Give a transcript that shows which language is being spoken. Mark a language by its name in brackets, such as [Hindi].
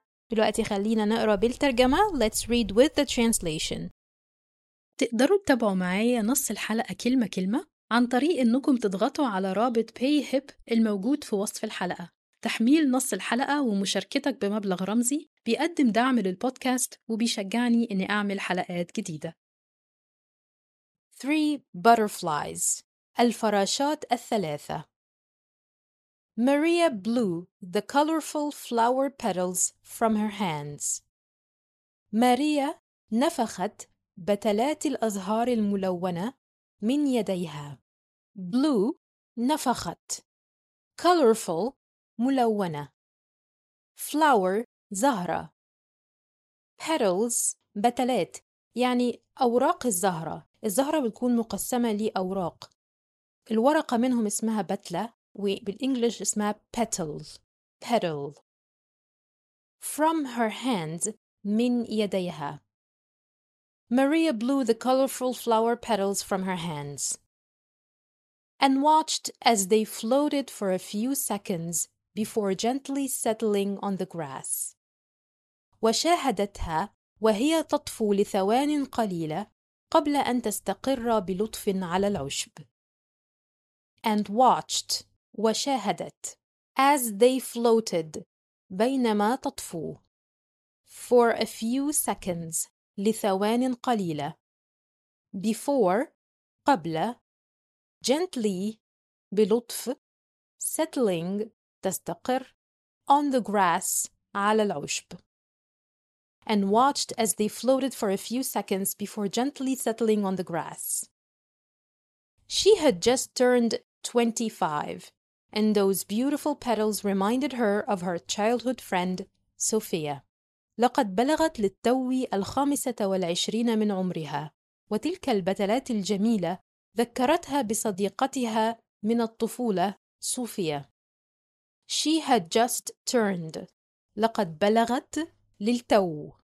[Arabic] دلوقتي خلينا نقرأ بالترجمة. [English] Let's read with the translation. [Arabic] تقدروا تتابعوا معايا نص الحلقة كلمة كلمة عن طريق أنكم تضغطوا على رابط PayHip الموجود في وصف الحلقة. تحميل نص الحلقة ومشاركتك بمبلغ رمزي بيقدم دعم للبودكاست وبيشجعني أني أعمل حلقات جديدة. [English] Three Butterflies، [Arabic] الفراشات الثلاثة. [English] Maria blew the colorful flower petals from her hands. [Arabic] ماريا نفخت بتلات الأزهار الملونة من يديها. [English] Blew [Arabic] نفخت. [English] Colorful [Arabic] ملونة. [English] Flower [Arabic] زهرة. [English] Petals [Arabic] بتلات يعني أوراق الزهرة. الزهرة بتكون مقسمة لأوراق. الورقة منهم اسمها بتلة، وبالإنجليش اسمها [English] petal. Petal. From her hands، [Arabic] من يديها. [English] Maria blew the colorful flower petals from her hands and watched as they floated for a few seconds before gently settling on the grass. [Arabic] وشاهدتها وهي تطفو لثوان قليلة قبل أن تستقر بلطف على العشب. [English] and watched [Arabic] وشاهدت [English] as they floated [Arabic] بينما تطفو [English] for a few seconds [Arabic] لثوان قليلة [English] before [Arabic] قبل [English] gently [Arabic] بلطف [English] settling [Arabic] تستقر [English] on the grass [Arabic] على العشب [English] and watched as they floated for a few seconds before gently settling on the grass. She had just turned 25, and those beautiful petals reminded her of her childhood friend, Sophia. [Arabic] لقد بلغت للتو 25 من عمرها، وتلك البتلات الجميلة ذكرتها بصديقتها من الطفولة، صوفيا. [English] She had just turned. [Arabic] لقد بلغت للتو.